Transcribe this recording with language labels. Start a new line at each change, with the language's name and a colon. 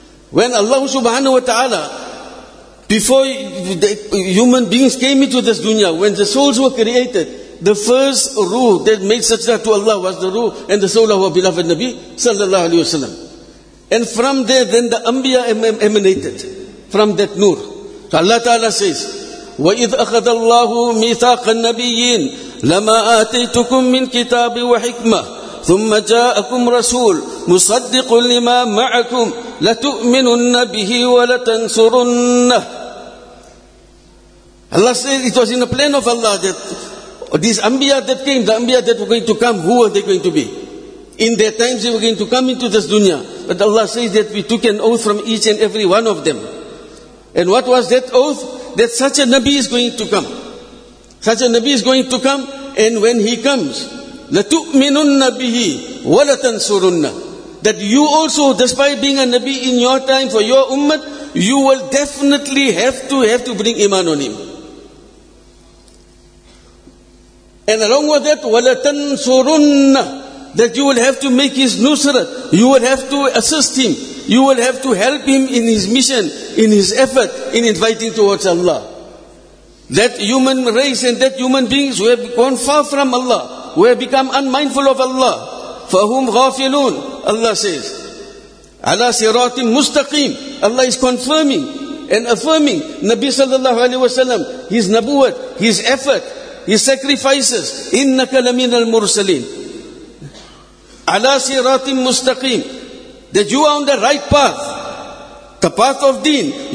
English: When Allah subhanahu wa ta'ala, before the human beings came into this dunya, when the souls were created, the first ruh that made sajda to Allah was the ruh and the soul of our beloved Nabi sallallahu alayhi wa sallam. And from there then the anbiya emanated from that nur. So Allah Ta'ala says,
Arabic: وَإِذْ أَخَذَ اللَّهُ مِيثَاقَ النَّبِيِّينَ لَمَا آتَيْتُكُم مِّن كِتَابٍ وَحِكْمَةٍ ثُمَّ جَاءَكُمْ رَسُولٌ مُصَدِّقٌ لِمَا مَعَكُمْ لَتُؤْمِنُنَّ بِهِ وَلَتَنْصُرُنَّهُ.
English: Allah said it was in the plan of Allah that these anbiya that came, the anbiya that were going to come, who were they going to be? In their times they were going to come into this dunya. But Allah says that we took an oath from each and every one of them. And what was that oath? That such a Nabi is going to come. Such a Nabi is going to come, and when he comes,
Arabic: لَتُؤْمِنُنَّ بِهِ وَلَتَنْصُرُنَّ.
English: That you also, despite being a Nabi in your time for your ummah, you will definitely have to bring iman on him. And along with that,
Arabic: وَلَتَنْصُرُنَّ.
English: That you will have to make his nusrat, you will have to assist him. You will have to help him in his mission, in his effort, in inviting towards Allah. That human race and that human beings who have gone far from Allah, who have become unmindful of Allah,
Arabic: فَهُمْ غَافِلُونَ.
English: Allah says,
Arabic: عَلَى صِرَاطٍ مُسْتَقِيمٍ.
English: Allah is confirming and affirming Nabi sallallahu alayhi wa sallam, his nabuwat, his effort, his sacrifices.
Arabic: إِنَّكَ لَمِنَ الْمُرْسَلِينَ. عَلَى صِرَاطٍ مُسْتَقِيمٍ.
English: That you are on the right path, the path of deen.